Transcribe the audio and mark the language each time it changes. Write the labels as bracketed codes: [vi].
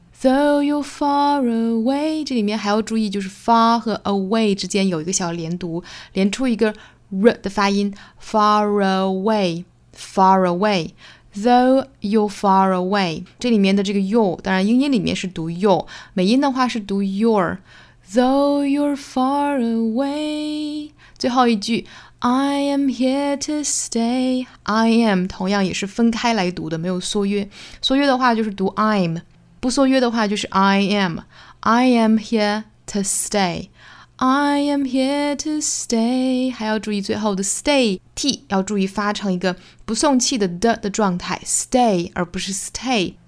[zh] Though you're far away，这里面还要注意，就是 far 和 away 之间有一个小连读，连出一个 r 的发音。 Far away, far away. Though you're far away， 这里面的这个 you， 当然英音里面是读 you， 美音的话是读 your。 [en] Though you're far away，最后一句 I am here to stay。 [zh] I am 同样也是分开来读的，没有缩约。缩约的话就是读 I'm。不缩约的话就是 I am. [en] I am here to stay. I am here to stay. [zh] 还要注意最后的 stay T 要注意发成一个不送气的 的 的状态， stay 而不是 stay.